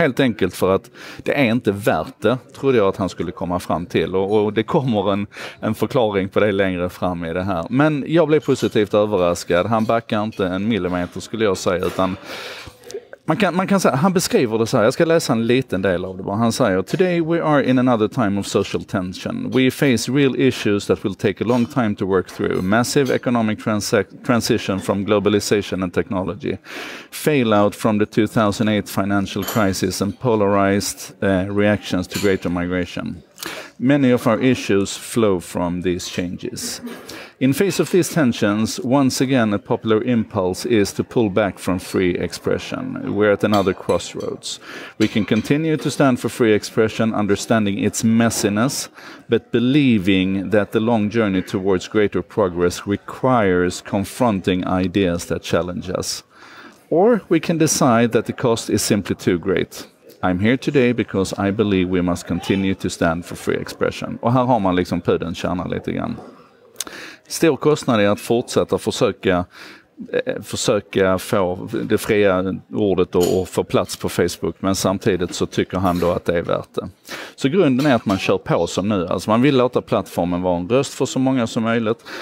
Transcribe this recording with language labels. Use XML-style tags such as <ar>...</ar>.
<sv>Helt enkelt för att det är inte värt det, trodde jag att han skulle komma fram till. Och det kommer en förklaring på det längre fram i det här. Men jag blev positivt överraskad. Han backar inte en millimeter skulle jag säga, utan man kan säga, han beskriver det så här, jag ska läsa en liten del av det. Han säger,</sv> <en>today we are in another time of social tension. We face real issues that will take a long time to work through. Massive economic transition from globalization and technology. Failout from the 2008 financial crisis and polarized reactions to greater migration. Many of our issues flow from these changes. In face of these tensions, once again a popular impulse is to pull back from free expression. We're at another crossroads. We can continue to stand for free expression, understanding its messiness, but believing that the long journey towards greater progress requires confronting ideas that challenge us. Or we can decide that the cost is simply too great. I'm here today because I believe we must continue to stand for free expression.</en> <sv>Och här har man liksom pudelns kärna lite grann. Stor kostnad är att fortsätta försöka få det fria ordet och få plats på Facebook, men samtidigt så tycker han då att det är värt det. Så grunden är att man kör på som nu, alltså man vill låta plattformen vara en röst för så många som möjligt.</sv>